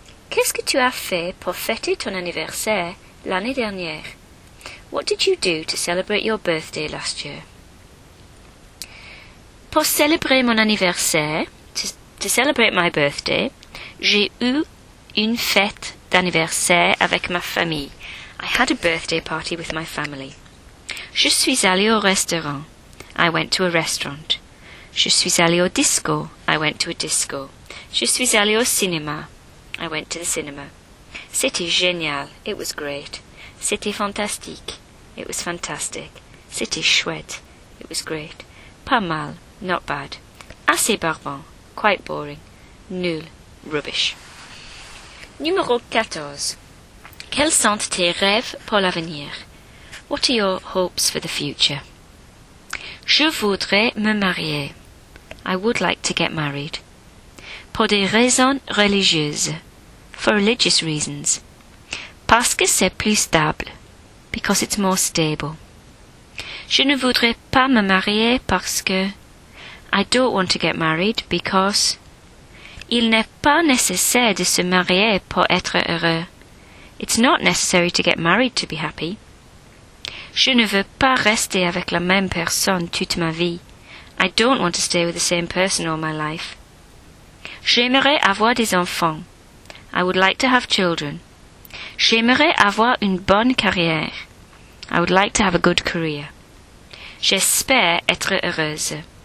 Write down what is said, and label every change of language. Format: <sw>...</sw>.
<fr>Qu'est-ce que tu as fait pour fêter ton anniversaire l'année dernière?</fr> <en>What did you do to celebrate your birthday last year?</en> <fr>Pour célébrer mon anniversaire,</fr> <en>to celebrate my birthday,</en> <fr>j'ai eu une fête d'anniversaire avec ma famille.</fr> <en>I had a birthday party with my family.</en> <fr>Je suis allée au restaurant.</fr> <en>I went to a restaurant.</en> <fr>Je suis allée au disco.</fr> <en>I went to a disco.</en> <fr>Je suis allée au cinéma.</fr> <en>I went to the cinema.</en> <fr>C'était génial.</fr> <en>It was great.</en> <fr>C'était fantastique.</fr> <en>It was fantastic.</en> <fr>C'était chouette.</fr> <en>It was great.</en> <fr>Pas mal.</fr> <en>Not bad.</en> <fr>Assez barbant.</fr> <en>Quite boring.</en> <fr>Nul.</fr> <en>Rubbish.</en> <fr>Numéro 14. Quels sont tes rêves pour l'avenir?</fr> <en>What are your hopes for the future?</en> <fr>Je voudrais me marier.</fr> <en>I would like to get married.</en> <fr>Pour des raisons religieuses.</fr> <en>For religious reasons.</en> <fr>Parce que c'est plus stable.</fr> <en>Because it's more stable.</en> <fr>Je ne voudrais pas me marier parce que...</fr> <en>I don't want to get married because...</en> <fr>Il n'est pas nécessaire de se marier pour être heureux.</fr> <en>It's not necessary to get married to be happy.</en> <fr>Je ne veux pas rester avec la même personne toute ma vie.</fr> <en>I don't want to stay with the same person all my life.</en> <fr>J'aimerais avoir des enfants.</fr> <en>I would like to have children.</en> <fr>J'aimerais avoir une bonne carrière.</fr> <en>I would like to have a good career.</en> <fr>J'espère être heureuse.</fr>